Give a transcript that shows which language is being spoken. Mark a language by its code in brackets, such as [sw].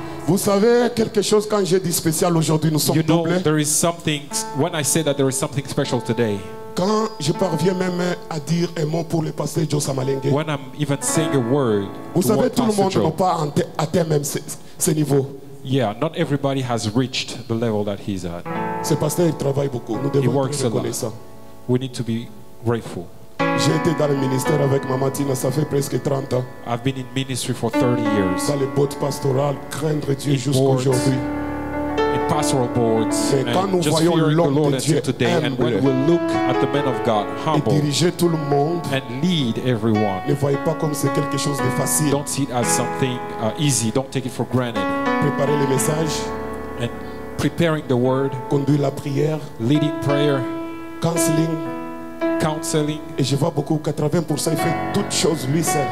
[fr] Vous savez quelque chose quand j'ai dit spécial aujourd'hui, nous sommes doublés. [en] You know, there is something when I say that there is something special today. [fr] Quand je parviens même à dire un mot pour le pasteur Joe Samalenge, [en] when I'm even saying a word, [fr] vous savez, tout le monde Joe, n'a pas atteint même ce niveau. [en] Yeah, not everybody has reached the level that he's at. [fr] Ce pasteur, il travaille beaucoup. Nous devons être reconnaissants. [en] We need to be grateful. [fr] J'ai été dans le ministère avec Mama Tina, ça fait presque 30 ans. [en] I've been in ministry for 30 years. [fr] Dans les boards pastorales, craindre Dieu jusqu'aujourd'hui. [en] In pastoral boards, [fr] mais quand nous voyons l'homme de Dieu [en] today, and when we look at the men of God, humble, [fr] et diriger tout le monde, [en] and lead everyone, [fr] ne voyez pas comme c'est quelque chose de facile. [en] Don't see it as something easy. Don't take it for granted. [fr] Préparer le message, [en] and preparing the word, [fr] conduire la prière, [en] leading prayer, counseling. Counseling. [fr] Et je vois beaucoup 80% fait toutes choses lui seul.